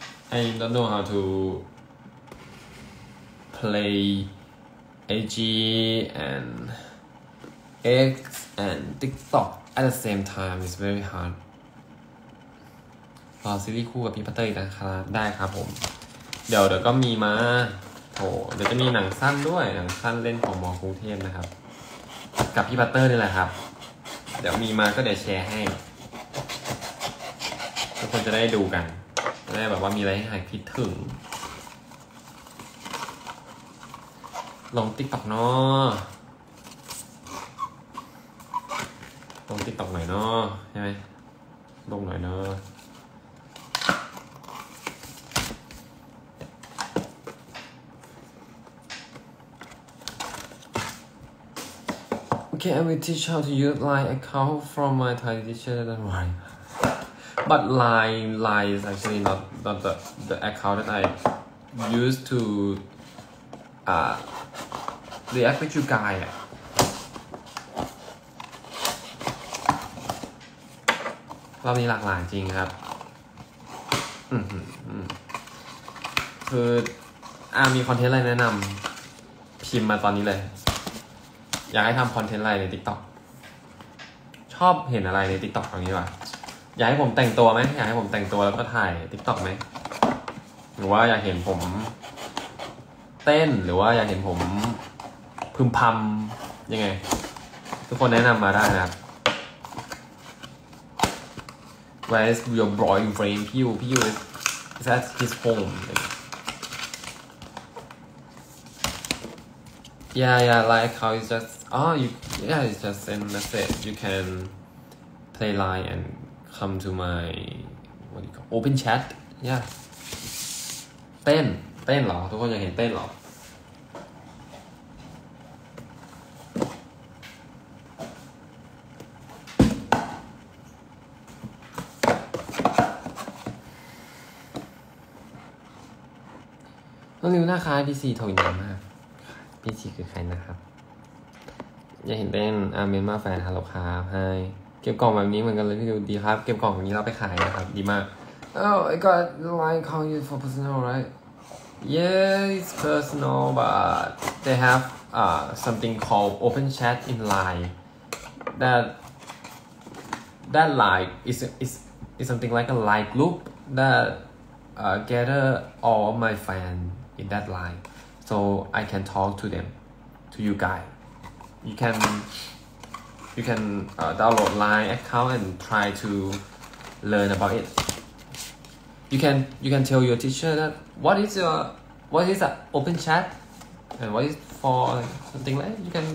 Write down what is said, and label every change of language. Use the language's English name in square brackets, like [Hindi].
[English] I don't know how to play AG and X and TikTok at the same time. It's very hard. [Thai] รอซีรีส์คู่กับพี่ปัตเตอร์อีกนะครับได้ครับผมเดี๋ยวก็มีมาโถเดี๋ยวจะมีหนังสั้นด้วยหนังสั้นเล่นของมอกรุงเทพนะครับกับพี่ปัตเตอร์นี่แหละครับเดี๋ยวมีมาก็เดี๋ยวแชร์ให้ ทุกคนจะได้ดูกันจะได้แบบว่ามีอะไรให้หายคิดถึงลงติ๊กต็อกเนาะลงติ๊กต็อกหน่อยเนาะใช่ไหมลงหน่อยเนาะ [English] Okay, I will teach how to use LINE account from my Thai teacher. That's right. But LINE is actually not the account that I use to react with you guys. [Thai] รอบนี้หลากหลายจริงครับ คือมีคอนเทนต์อะไรแนะนำพิมพ์มาตอนนี้เลยอยากให้ทำคอนเทนต์อะไรใน TikTok ชอบเห็นอะไรใน TikTok ตรงนี้ว่ะอยากให้ผมแต่งตัวไหมอยากให้ผมแต่งตัวแล้วก็ถ่าย TikTok ไหมหรือว่าอยากเห็นผม เต้นหรือว่าอยากเห็นผมพึมพำยังไงทุกคนแนะนำมาได้นะครับ [English] Where is your boyfriend Piu is at his homeYeah, like how it's just, it's just send message. You can play line and come to my, what do you call, open chat. Yeah. [Thai] เต้นเหรอทุกคนอยากเห็นเต้นเหรอต้องรู้นะคะพี่สี่โทรอย่างมากพี่ชีคือใครนะครับ อยากเห็นเต้นอาร์เมนมาแฟนฮัลโหลครับไฮเก็บกล่องแบบนี้เหมือนกันเลยพี่ดูดีครับเก็บกล่องแบบนี้เราไปขายนะครับดีมาก [English] Oh I got line call you for personal right Yeah it's personal but they have something called open chat in line that line is something like a line group that gather all of my fan in that lineSo I can talk to them, to you guys. You can download LINE account and try to learn about it. You can tell your teacher that what is a open chat, and what is for something like that.